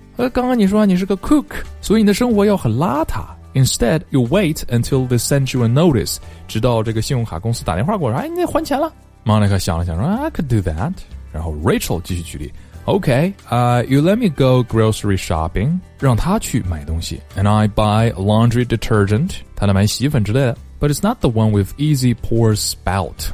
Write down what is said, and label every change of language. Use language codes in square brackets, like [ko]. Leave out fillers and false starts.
[zh] 刚刚你说你是个 cook, 所以你的生活要很邋遢。 [en] Instead, you wait until they send you a notice. [zh] 直到这个信用卡公司打电话过来，哎，你得还钱了。 [en] Monica [zh] 想了想说 [en] I could do that. [zh] 然后 [en] Rachel [zh] 继续举例 [en] OK, you let me go grocery shopping. [zh] 让他去买东西 [en] And I buy laundry detergent. [zh] 他来买洗衣粉之类的 [en] But it's not the one with easy pour spout.